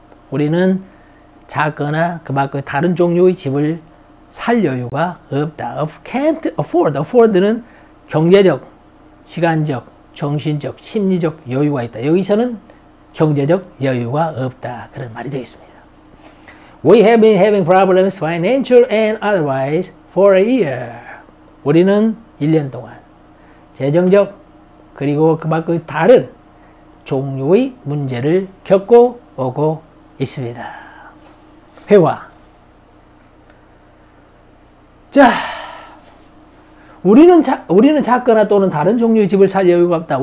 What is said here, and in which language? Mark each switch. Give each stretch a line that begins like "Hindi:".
Korean: 우리는 작거나 그 밖의 다른 종류의 집을 살 여유가 없다.
English: Can't afford.
Korean: Afford는 경제적, 시간적, 정신적, 심리적 여유가 있다. 여기서는 경제적 여유가 없다. 그런 말이 되어있습니다.
English: We have been having problems financial and otherwise for a year.
Korean: 우리는 1년 동안 재정적 그리고 그 밖의 다른 종류의 문제를 겪고 오고 있습니다. 회화. 자, 우리는 작거나 또는 다른 종류의 집을 살 여유가 없다.